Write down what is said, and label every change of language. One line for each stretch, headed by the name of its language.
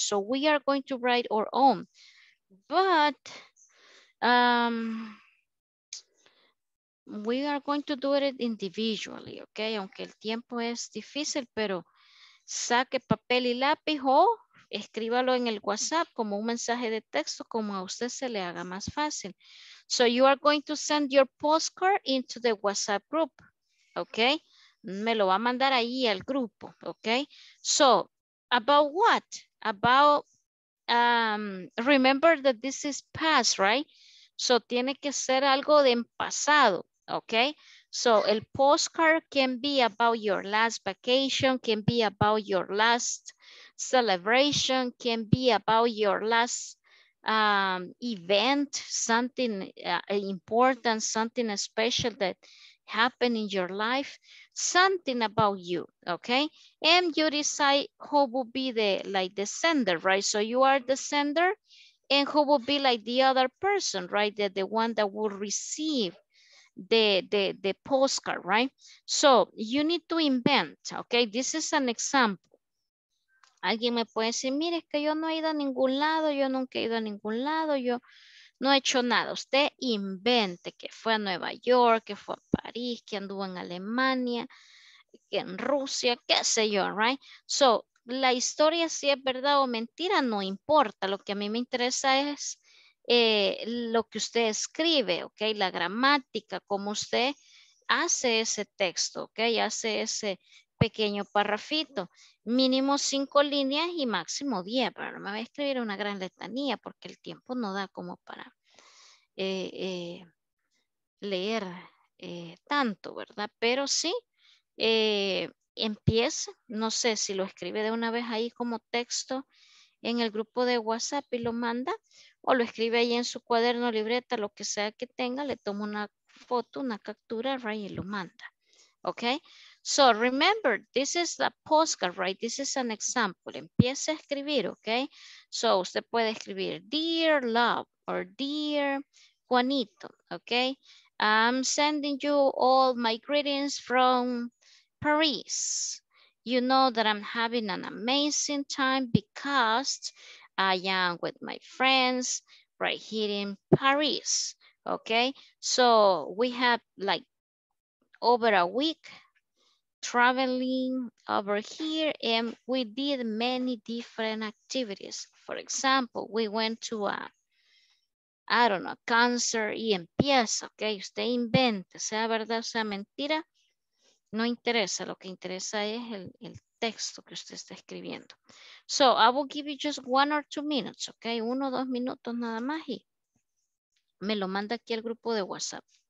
English: So we are going to write our own. But we are going to do it individually, okay?
Spanish: Aunque el tiempo es difícil, pero saque papel y lápiz o escríbalo en el WhatsApp como un mensaje de texto, como a usted se le haga más fácil.
English: So you are going to send your postcard into the WhatsApp group, okay?
Spanish: Me lo va a mandar ahí al grupo, okay?
English: So about what? About, remember that this is past, right?
Spanish: So tiene que ser algo de en pasado, okay?
English: So el postcard can be about your last vacation, can be about your last celebration, can be about your last event, something important, something special that happened in your life, something about you, okay? And you decide who will be the, like, the sender, right? So you are the sender, and who will be like the other person, right? The one that will receive the postcard, right? So you need to invent, okay? This is an example.
Spanish: Alguien me puede decir, mire, es que yo no he ido a ningún lado, yo nunca he ido a ningún lado, yo no he hecho nada. Usted invente que fue a Nueva York, que fue a París, que anduvo en Alemania, que en Rusia, qué sé yo, right? So, la historia, si es verdad o mentira, no importa. Lo que a mí me interesa es lo que usted escribe, ¿ok? La gramática, cómo usted hace ese texto, ¿ok? Hace ese pequeño parrafito, mínimo 5 líneas y máximo 10, pero no me voy a escribir una gran letanía porque el tiempo no da como para leer tanto, ¿verdad? Pero sí, empiece, no sé si lo escribe de una vez ahí como texto en el grupo de WhatsApp y lo manda, o lo escribe ahí en su cuaderno, libreta, lo que sea que tenga, le toma una foto, una captura, right, y lo manda.
English: Okay, so remember, this is the postcard, right? This is an example.
Spanish: Empieza a escribir,
English: okay? So
Spanish: usted puede escribir,
English: dear love, or dear Juanito, okay? I'm sending you all my greetings from Paris. You know that I'm having an amazing time because I am with my friends right here in Paris, okay? So we have like over a week traveling over here, and we did many different activities. For example, we went to a concert,
Spanish: y empieza,
English: okay?
Spanish: Usted invente, sea verdad, sea mentira, no interesa, lo que interesa es el texto que usted está escribiendo.
English: So I will give you just 1 or 2 minutes, okay?
Spanish: 1 o 2 minutos nada más y me lo manda aquí al grupo de WhatsApp.